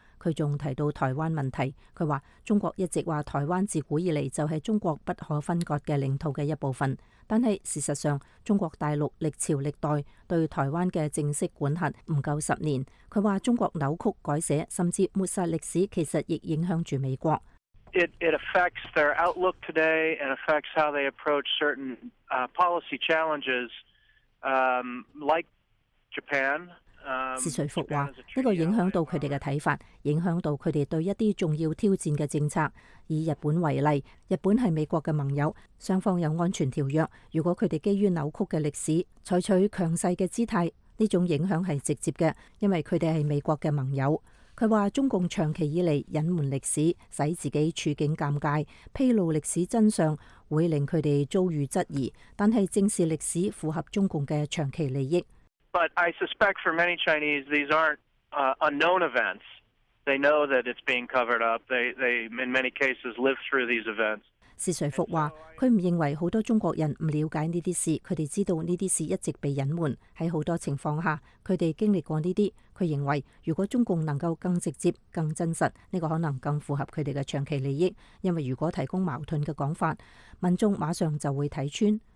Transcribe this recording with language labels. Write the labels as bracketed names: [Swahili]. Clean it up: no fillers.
[Chinese] 他还提到台湾问题，他说中国一直说台湾自古以来就是中国不可分割的领土的一部分，但是事实上中国大陆历朝历代对台湾的正式管辖不够十年。他说中国扭曲改写甚至抹杀历史其实也影响着美国。 [English] It affects their outlook today and affects how they approach certain policy challenges, like Japan. [Chinese] 施瑞福说这个影响到他们的看法，影响到他们对一些重要挑战的政策。以日本为例，日本是美国的盟友，双方有安全条约，如果他们基于扭曲的历史采取强势的姿态，这种影响是直接的，因为他们是美国的盟友。他说中共长期以来隐瞒历史，使自己处境尴尬，披露历史真相会令他们遭遇质疑，但是正视历史符合中共的长期利益。 [English] But I suspect for many Chinese, these aren't unknown events. They know that it's being covered up. They in many cases live through these events. [Chinese] 施瑞福说他不认为很多中国人不了解这些事，他们知道这些事一直被隐瞒，在很多情况下他们经历过这些。他认为如果中共能够更直接更真实，这个可能更符合他们的长期利益，因为如果提供矛盾的讲法，民众马上就会看穿。